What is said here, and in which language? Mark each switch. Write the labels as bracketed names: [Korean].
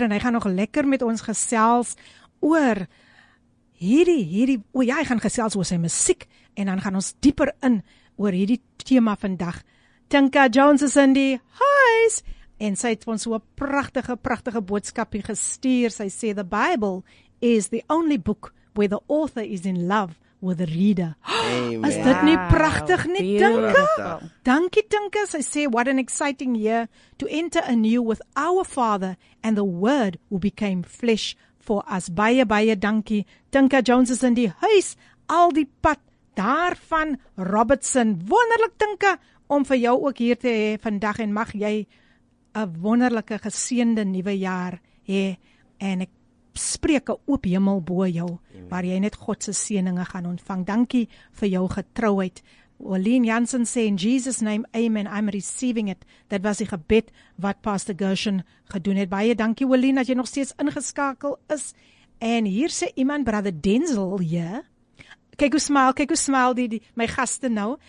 [Afrikaans] En hy gaan nog lekker met ons gesels oor hierdie, oh ja, hy gaan gesels oor sy musiek. En dan gaan ons dieper in oor hierdie thema vandag. Tinka Jones is in die huis. En sy het ons so 'n pragtige, pragtige boodskapie gestuur. Sy sê, [English] the Bible is the only book where the author is in love with the reader. Amen. [Afrikaans] Is dit nie prachtig nie, Tinka? Dankie, Tinka. Sy sê, [English] what an exciting year to enter anew with our Father and the Word who became flesh for us. [Afrikaans] Baie, baie dankie. Tinka Jones is in die huis, al die pad daarvan, Robertson. Wonderlik, Tinka, om vir jou ook hier te hê vandag en mag jy 'n wonderlike geseënde nuwe jaar hê en ek spreek 'n oop hemel bo jou. Amen. Waar jy net God se seëninge gaan ontvang. Dankie vir jou getrouheid. [English] Olien Jansen sê in Jesus name amen, I'm receiving it. [Afrikaans] Dit was die gebed wat Pastor Gershwin gedoen het. Baie dankie Olien dat jy nog steeds ingeskakel is. En hier sê iemand Brother Denzel hier. Kyk hoe smile die my gaste nou.